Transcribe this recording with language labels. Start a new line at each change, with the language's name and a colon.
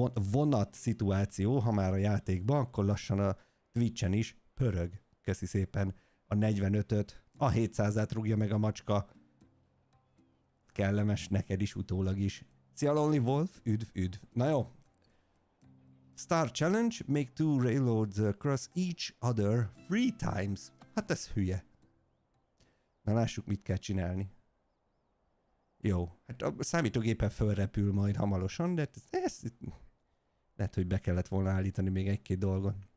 Hungarian: Vonat szituáció, ha már a játékban, akkor lassan a Twitch-en is pörög. Köszi szépen a 45-öt, a 700-át rúgja meg a macska. Kellemes neked is utólag is. Szia Lonely Wolf, üdv. Na jó.
English: Star Challenge, make two railroads cross each other 3 times.
Hungarian: Hát ez hülye. Na lássuk, mit kell csinálni. Jó, hát a számítógépen felrepül majd hamarosan, de ez lehet, hogy be kellett volna állítani még egy-két dolgot.